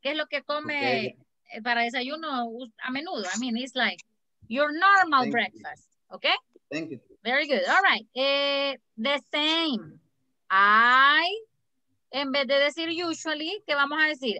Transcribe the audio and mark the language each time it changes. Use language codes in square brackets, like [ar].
[es] ¿Qué es lo que come para desayuno a menudo? [en] I mean, it's like your normal Thank breakfast. You. Okay? Thank you. Very good. All right. The same. [es] I, en vez de decir usually, ¿qué vamos a decir?